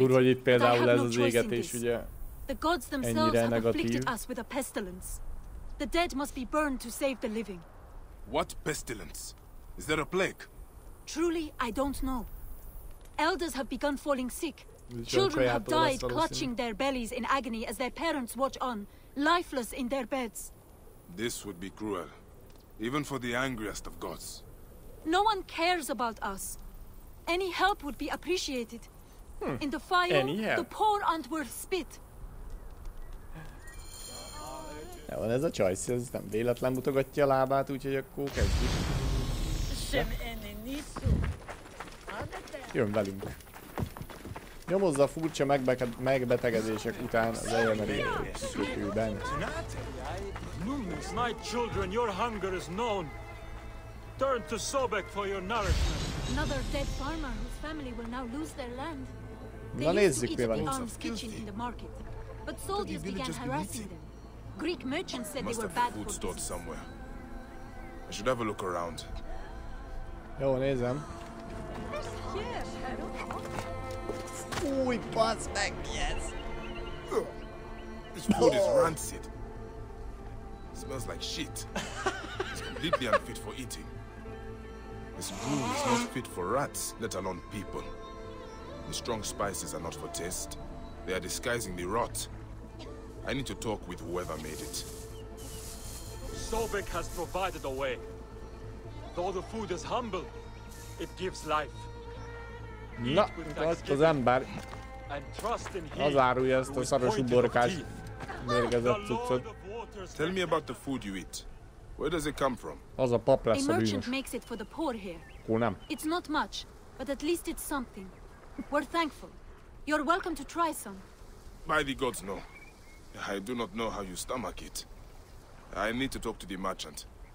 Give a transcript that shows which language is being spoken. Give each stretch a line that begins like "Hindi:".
Hungarian: Durva, hogy itt például ez az égetés, ugye?
English: The gods themselves have afflicted us with a pestilence. The dead must be burned to save the living. What pestilence? Is there a plague? Truly, I don't know. Elders have begun falling sick. Children have died clutching their bellies in agony as their parents watch on, lifeless in their beds. This would be cruel, even for the angriest of gods. No one cares about us. Any help would be appreciated. Hmm. In the fire, the poor aren't worth spit.
Hungarian: Ja, van ez a csajsz, ez nem véletlen mutogatja a lábát, úgyhogy akkor kezdjük. Jön velünk. Nyomozza a furcsa megbetegedések után az elmerülőkülben.
English: Numinous night children, your hunger is known. Turn to Sobek for your nourishment. Another dead farmer whose family will now lose their land.
Hungarian: Na nézzük, mi van.
English: They used to eat at the arms kitchen in the market. But soldiers began harassing them. Greek merchants said they were bad for business. Must have food stored somewhere. I should have a look around.
Hungarian: Jó, nézem. Új, pass meg, yes!
English: This food is rancid. It smells like shit. It's completely unfit for eating. This brew is not fit for rats, let alone people. The strong spices are not for taste. They are disguising the rot. I need to talk with whoever made it. Sobek has provided a way. Though the food is humble, it gives life.
Hungarian: Na, ezt az ember az árulja ezt a szaros uborkás mérgezett cuccot.
English: Tell me about the food you eat. Where does it come from?
Hungarian: Az a pap lesz a bűnös.
English: Makes it for the poor here.
Hungarian: Kó, nem.
English: It's not much, but at least it's something. We're thankful. You're welcome to try some. By the gods, no. I do not know how you stomach it. I need to talk to the merchant.